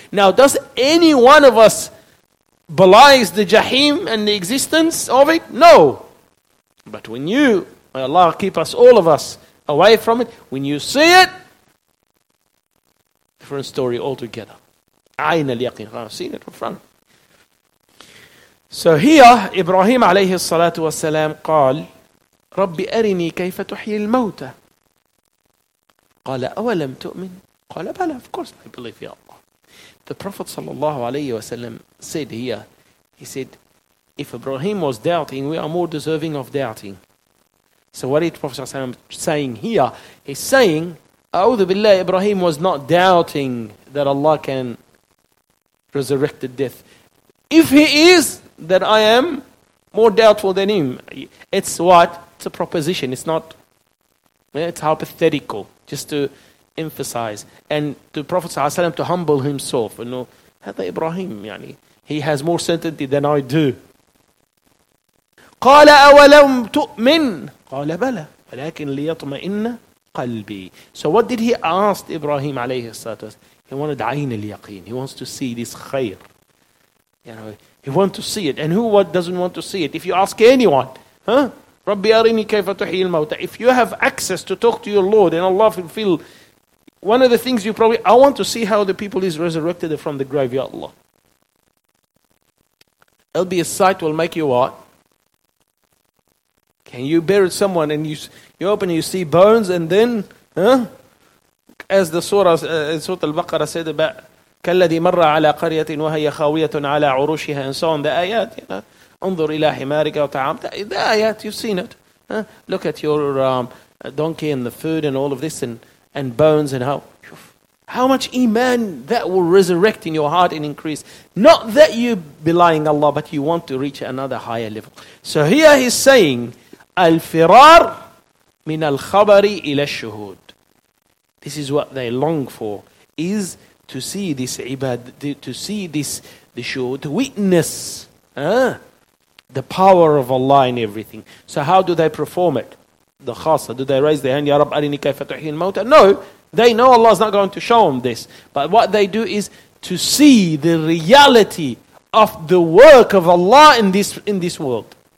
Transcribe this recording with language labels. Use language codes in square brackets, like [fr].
[en] Now, does any one of us belies the Jahim and the existence of it? No. But when you, may Allah keep us, all of us, away from it, when you see it, different story altogether. [ar] عين اليقين. [en] Seen it in front. So here, [ar] إبراهيم عليه الصلاة والسلام قال ربي أرني كيف تحيي الموتى. قال أولم تؤمن؟ قال بلى. [en] Of course I believe in Allah. The Prophet صلى الله عليه وسلم said here, he said, if Ibrahim was doubting, we are more deserving of doubting. So what is the Prophet saying here? He's saying, [ar] أعوذ بالله, [en] Ibrahim was not doubting that Allah can resurrect the death. If he is, then I am more doubtful than him. It's what? It's a proposition. It's not, it's hypothetical, just to emphasize. And the Prophet ﷺ to humble himself. You know, [ar] هذا إبراهيم, [en] يعني, he has more certainty than I do. [ar] قال أولم تؤمن؟ قال بلى ولكن ليطمئن قلبي. [en] So what did he ask Ibrahim عليه الصلاة والسلام? He wanted [ar] عين اليقين. [en] He wants to see this خير. You know, he wants to see it. And who what doesn't want to see it? If you ask anyone, huh? [ar] ربي أرني كيف تحيي الموتى. [en] If you have access to talk to your Lord and Allah fulfill, one of the things you probably, I want to see how the people is resurrected from the grave, ya Allah. It'll be a sight will make you what? Can you bury someone and you open and you see bones and then, huh? As the surah, Surah Al-Baqarah said about [ar] كَالَّذِي مَرَّ عَلَى قَرْيَةٍ وَهَيَ خَاوِيَةٌ عَلَى عُرُوشِهَا [en] and so on. The ayat, you know, [ar] انظر إلى حِمَارِكَ وَتَعَامَ. [en] The ayat, you've seen it. Huh? Look at your donkey and the food and all of this and bones and how much iman that will resurrect in your heart and increase. Not that you belying Allah, but you want to reach another higher level. So here he's saying, [ar] الفرار من الخبر إلى الشهود. [en] This is what they long for, is to see this ibad, to see this, the shuhud, witness the power of Allah in everything. So how do they perform it? The khasa, do they raise their hand, [ar] Ya Rab, arini kayfa tuhyi al-mawta? [en] No, they know Allah is not going to show them this. But what they do is to see the reality of the work of Allah in this world.